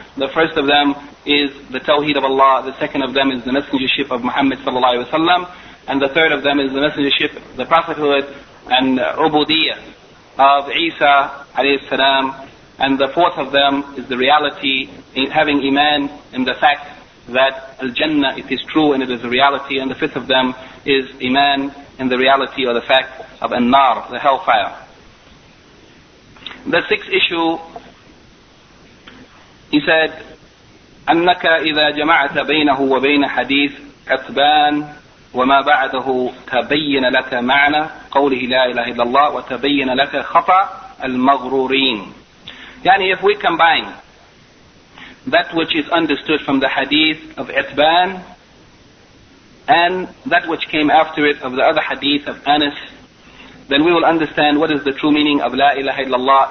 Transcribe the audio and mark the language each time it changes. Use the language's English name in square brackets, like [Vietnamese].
[English] The first of them is the Tawheed of Allah, the second of them is the messengership of Muhammad sallallahu alayhi wa sallam, and the third of them is the messengership, the prophethood, and Ubudiyyah of Isa alayhi salam, and the fourth of them is the reality, in having Iman in the fact that Al-Jannah, it is true and it is a reality, and the fifth of them is Iman in the reality or the fact of An-Nar, the hellfire. The sixth issue, he said, [Arabic] أَنَّكَ إِذَا جَمَعَتَ بَيْنَهُ وَبَيْنَ حَدِيثِ عَتْبَانِ وَمَا بَعَدَهُ تَبَيِّنَ لَكَ مَعْنَى قَوْلِهِ لَا إِلَهِ إِلَّا اللَّهِ وَتَبَيِّنَ لَكَ خَطَأَ al-maghrurin. [English] Yani, if we combine that which is understood from the hadith of Itban and that which came after it of the other hadith of Anas, then we will understand what is the true meaning of La ilaha illallah.